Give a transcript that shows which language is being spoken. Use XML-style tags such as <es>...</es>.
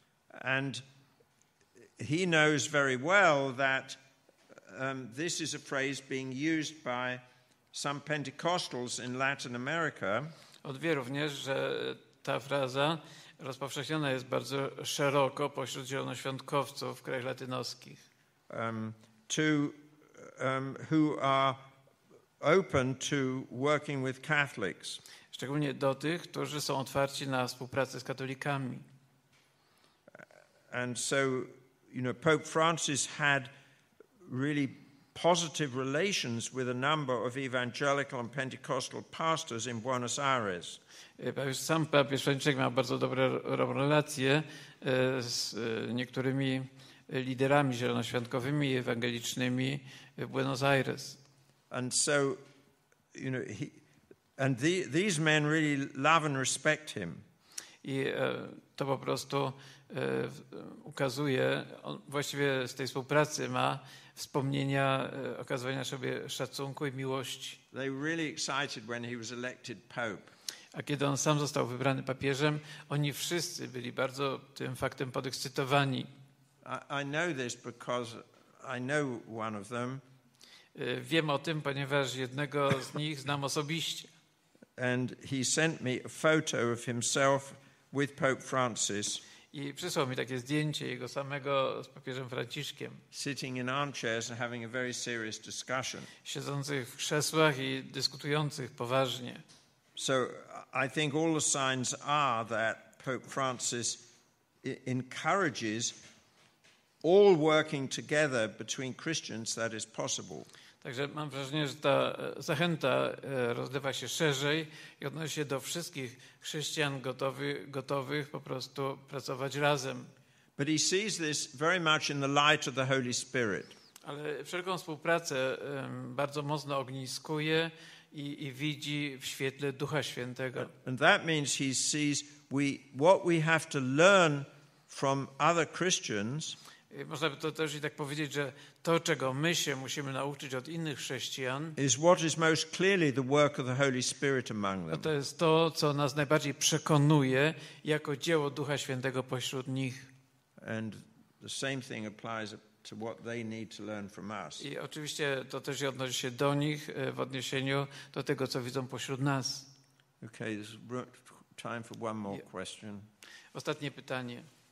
<en>And he knows very well that this is a phrase being used by some Pentecostals in Latin America.</en> <pl>On wie również, że ta fraza rozpowszechniona jest bardzo szeroko pośród zielonoświątkowców w krajach latynoskich.</pl> <en>Who are open to working with Catholics.</en> <pl>Szczególnie do tych, którzy są otwarci na współpracę z katolikami.</pl> <en>And so, you know, Pope Francis had really positive relations with a number of evangelical and Pentecostal pastors in Buenos Aires.</en> <pl>Sam papież Franciszek miał bardzo dobre relacje z niektórymi liderami zielonoświątkowymi i ewangelicznymi w Buenos Aires.</pl> <en>And so, you know, these men really love and respect him.</en> <pl>I to po prostu ukazuje, on właściwie z tej współpracy ma wspomnienia okazywania sobie szacunku i miłości.</pl> <en>They were really excited when he was elected pope.</en> <pl>A kiedy on sam został wybrany papieżem, oni wszyscy byli bardzo tym faktem podekscytowani.</pl> <en>I know this because I know one of them.</en> <pl>Wiem o tym, ponieważ jednego z nich znam osobiście.</pl> <en>And he sent me a photo of himself with Pope Francis.</en> <pl>I przysłał mi takie zdjęcie jego samego z papieżem Franciszkiem.</pl> <en>Sitting in armchairs and having a very serious discussion.</en> <pl>Siedzących w krzesłach i dyskutujących poważnie.</pl> <en>So I think all the signs are that Pope Francis encourages all working together between Christians that is possible.</en> <pl>Także mam wrażenie, że ta zachęta rozlewa się szerzej i odnosi się do wszystkich chrześcijan gotowych po prostu pracować razem.</pl> <en>But he sees this very much in the light of the Holy Spirit.</en> <pl>Ale wszelką współpracę bardzo mocno ogniskuje i widzi w świetle Ducha Świętego.</pl> <en>And that means he sees what we have to learn from other Christians.</en> <pl>Można by to też i tak powiedzieć, że to, czego my się musimy nauczyć od innych chrześcijan,</pl> <en>is what is most clearly the work of the Holy Spirit among them.</en> <pl>To jest to, co nas najbardziej przekonuje jako dzieło Ducha Świętego pośród nich.</pl> <en>And the same thing applies to what they need to learn from us.</en> <pl>I oczywiście to też odnosi się do nich w odniesieniu do tego, co widzą pośród nas.</pl> <en>Okay, there's time for one more question.</en> <pl>Ostatnie pytanie.</pl>